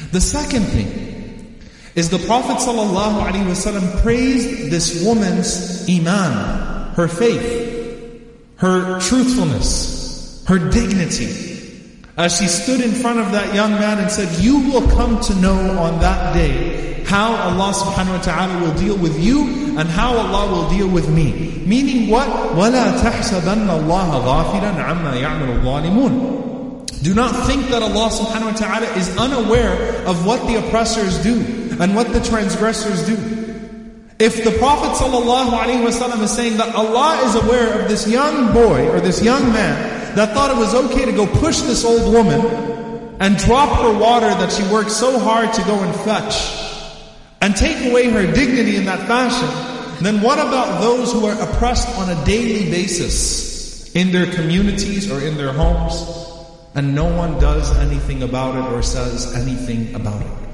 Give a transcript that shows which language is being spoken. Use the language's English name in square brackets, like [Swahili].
[English] The second thing is the Prophet ﷺ praised this woman's iman, her faith, her truthfulness, her dignity, as she stood in front of that young man and said, you will come to know on that day how Allah subhanahu wa ta'ala will deal with you and how Allah will deal with me. Meaning what? [Arabic] وَلَا تَحْسَبَنَّ اللَّهَ غَافِلًا عَمَّا يَعْمَلُ الظَّالِمُونَ. [English] Do not think that Allah subhanahu wa ta'ala is unaware of what the oppressors do and what the transgressors do. If the Prophet sallallahu alaihi wasallam is saying that Allah is aware of this young boy or this young man that thought it was okay to go push this old woman and drop her water that she worked so hard to go and fetch and take away her dignity in that fashion, then what about those who are oppressed on a daily basis in their communities or in their homes, and no one does anything about it or says anything about it?